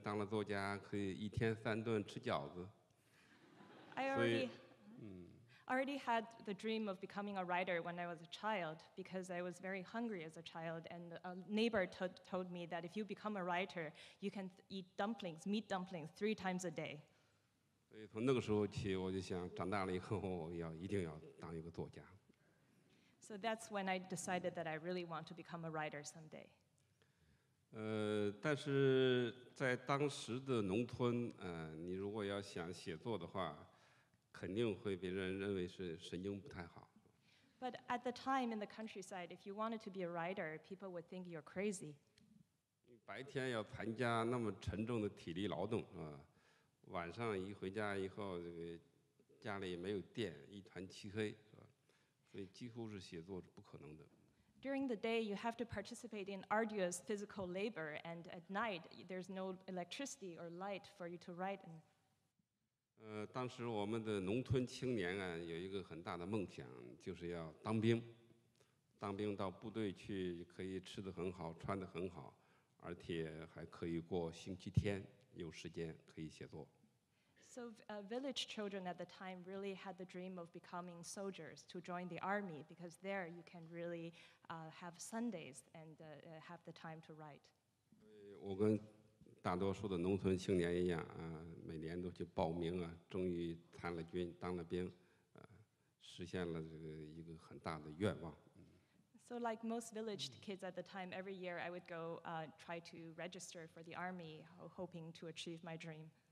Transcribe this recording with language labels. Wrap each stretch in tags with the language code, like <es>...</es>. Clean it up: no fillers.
<zh>我小的时候实际上就有这个作家梦啊，那个时候中国的这个物质生活还是比较贫困的，因为我的一个邻居告诉我，一个人当了作家可以一天三顿吃饺子。</zh> <en>I already had the dream of becoming a writer when I was a child because I was very hungry as a child, and a neighbor told me that if you become a writer, you can eat dumplings, meat dumplings, 3 times a day.</en> <zh>所以从那个时候起，我就想，长大了以后，我要一定要当一个作家。</zh> <en>So that's when I decided that I really want to become a writer someday.</en> <zh>但是在当时的农村, 你如果要想写作的话, 肯定会被人认为是神经不太好。</zh> <en>But at the time in the countryside, if you wanted to be a writer, people would think you're crazy.</en> <zh>白天要参加那么沉重的体力劳动, 晚上一回家以后, 家里没有电, 一团漆黑, 所以几乎是写作是不可能的。</zh> <en>During the day, you have to participate in arduous physical labor, and at night, there's no electricity or light for you to write in.</en> <zh>当时我们的农村青年啊, 有一个很大的梦想, 就是要当兵, 当兵到部队去, 可以吃得很好, 穿得很好, 而且还可以过星期天, 有时间可以写作。</zh> <en>So village children at the time really had the dream of becoming soldiers to join the army because there you can really have Sundays and have the time to write.</en> <zh>我跟大多数的农村青年一样, 每年都去报名啊, 终于参了军, 当了兵, 实现了这个一个很大的愿望。</zh> <en>So like most village kids at the time, every year I would go try to register for the army, hoping to achieve my dream.</en>